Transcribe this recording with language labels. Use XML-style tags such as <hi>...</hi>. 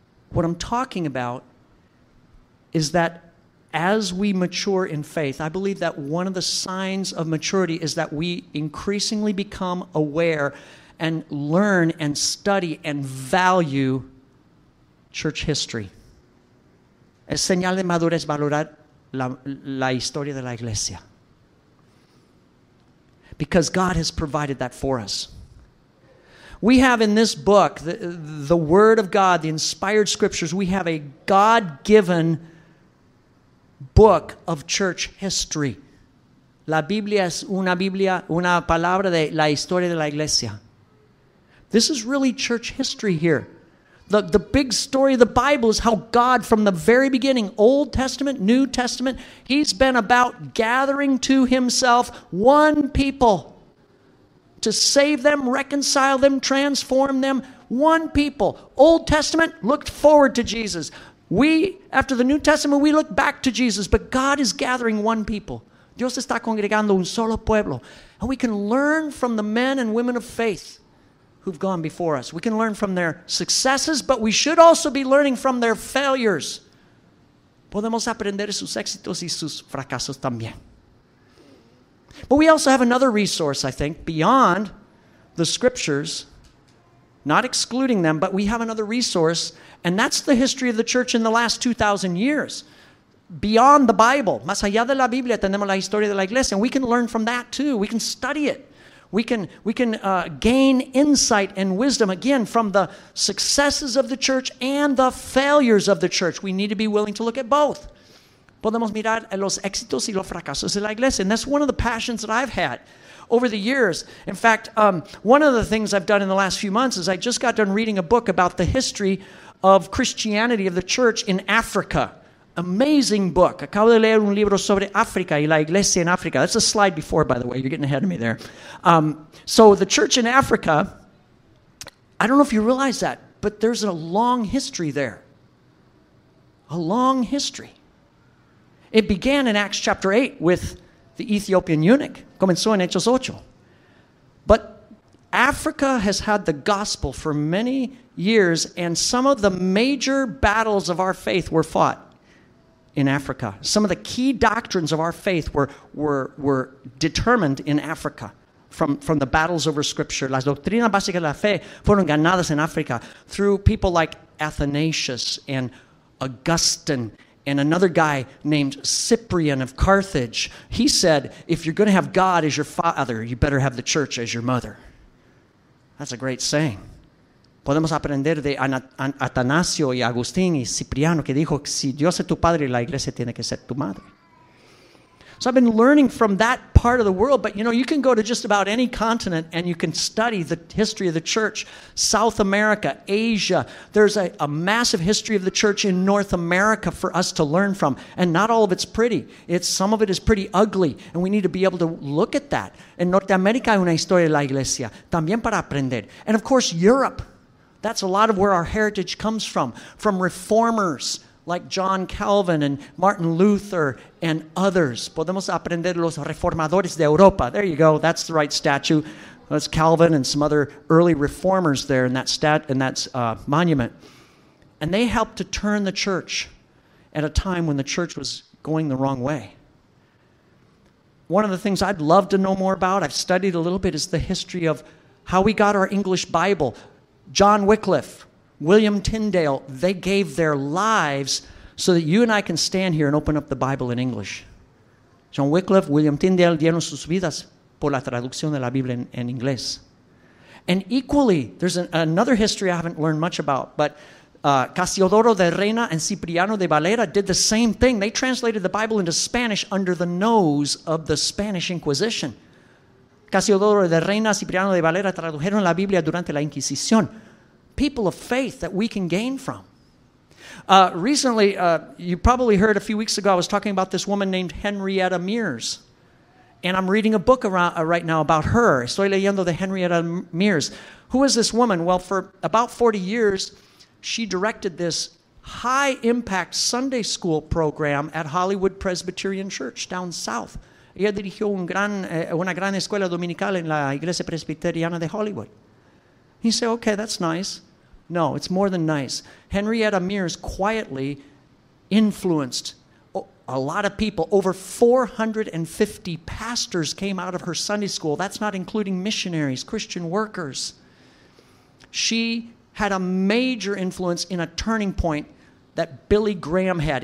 <en>What I'm talking about is that as we mature in faith, I believe that one of the signs of maturity is that we increasingly become aware and learn and study and value church history.</en> <es>Es señal de madurez valorar la historia de la iglesia.</es> <en>Because God has provided that for us. We have in this book, the Word of God, the inspired scriptures, we have a God-given book of church history.</en> <es>La Biblia es una Biblia, una palabra de la historia de la iglesia.</es> <en>This is really church history here. The big story of the Bible is how God, from the very beginning, Old Testament, New Testament, he's been about gathering to himself one people to save them, reconcile them, transform them. One people. Old Testament looked forward to Jesus. We, after the New Testament, we look back to Jesus, but God is gathering one people.</en> <es>Dios está congregando un solo pueblo.</es> <en>And we can learn from the men and women of faith who've gone before us. We can learn from their successes, but we should also be learning from their failures.</en> <es>Podemos aprender sus éxitos y sus fracasos también.</es> <en>But we also have another resource, I think, beyond the scriptures, not excluding them, but we have another resource, and that's the history of the church in the last 2,000 years. Beyond the Bible,</en> <es>más allá de la Biblia, tenemos la historia de la iglesia,</es> <en>and we can learn from that too. We can study it. We can gain insight and wisdom, again, from the successes of the church and the failures of the church. We need to be willing to look at both.</en> <es>Podemos mirar los éxitos y los fracasos de la iglesia,</es> <en>and that's one of the passions that I've had over the years. In fact, one of the things I've done in the last few months is I just got done reading a book about the history of Christianity, of the church in Africa. Amazing book.</en> <es>Acabo de leer un libro sobre África y la iglesia en África.</es> <en>That's a slide before, by the way. You're getting ahead of me there. So the church in Africa, I don't know if you realize that, but there's a long history there. A long history. It began in Acts chapter 8 with the Ethiopian eunuch.</en> <es>Comenzó en Hechos 8.</es> <en>But Africa has had the gospel for many years, and some of the major battles of our faith were fought in Africa. Some of the key doctrines of our faith were determined in Africa from the battles over Scripture.</en> <es>Las doctrinas básicas de la fe fueron ganadas en África</es> <en>through people like Athanasius and Augustine and another guy named Cyprian of Carthage. He said, if you're going to have God as your father, you better have the church as your mother. That's a great saying.</en> <es>Podemos aprender de Atanasio y Agustín y Cipriano, que dijo, si Dios es tu padre, la iglesia tiene que ser tu madre.</es> <en>So I've been learning from that part of the world, but you know, you can go to just about any continent and you can study the history of the church. South America, Asia, there's a massive history of the church in North America for us to learn from. And not all of it's pretty. Some of it is pretty ugly, and we need to be able to look at that.</en> <es>En Norteamérica hay una historia de la iglesia, también para aprender.</es> <en>And of course, Europe. That's a lot of where our heritage comes from reformers like John Calvin and Martin Luther and others.</en> <es>Podemos aprender los reformadores de Europa.</es> <en>There you go. That's the right statue. That's Calvin and some other early reformers there in that monument. And they helped to turn the church at a time when the church was going the wrong way. One of the things I'd love to know more about, I've studied a little bit, is the history of how we got our English Bible. John Wycliffe, William Tyndale, they gave their lives so that you and I can stand here and open up the Bible in English.</en> <es>John Wycliffe, William Tyndale dieron sus vidas por la traducción de la Biblia en inglés.</es> <en>And equally, there's another history I haven't learned much about, but Casiodoro de Reina and Cipriano de Valera did the same thing. They translated the Bible into Spanish under the nose of the Spanish Inquisition.</en> <es>Casiodoro de Reina, Cipriano de Valera tradujeron la Biblia durante la Inquisición.</es> <en>People of faith that we can gain from. Recently, you probably heard a few weeks ago, I was talking about this woman named Henrietta Mears. And I'm reading a book right now about her.</en> <es>Estoy leyendo de Henrietta Mears.</es> <en>Who is this woman? Well, for about 40 years, she directed this high-impact Sunday school program at Hollywood Presbyterian Church down south.</en> <es>Ella dirigió una gran escuela dominical en la iglesia presbiteriana de Hollywood.</es> <en>He said, okay, that's nice. No, it's more than nice. Henrietta Mears quietly influenced a lot of people. Over 450 pastors came out of her Sunday school. That's not including missionaries, Christian workers. She had a major influence in a turning point that Billy Graham had.</en>